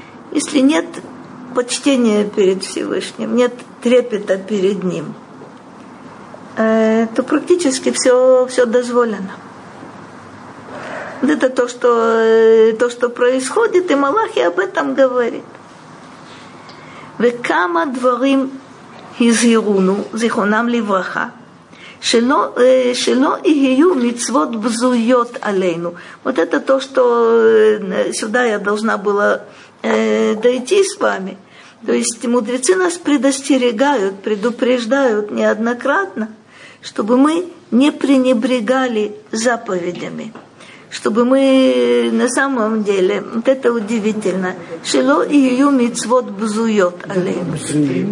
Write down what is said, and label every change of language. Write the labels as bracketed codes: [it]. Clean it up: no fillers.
[ru] Если нет почтения перед Всевышним, нет трепета перед Ним, то практически все дозволено. Вот это то, что происходит, и Малахи об этом говорит. [he] וכמה דברים הזהירונו, זיכרונם לברכה, שלא יהיו מצוות בזויות עלינו. [ru] Вот это то, что сюда я должна была дойти с вами. То есть мудрецы нас предостерегают, предупреждают неоднократно, чтобы мы не пренебрегали заповедями. Чтобы мы на самом деле, вот это удивительно, [he] «Шело и ее мицвот бзует алейну».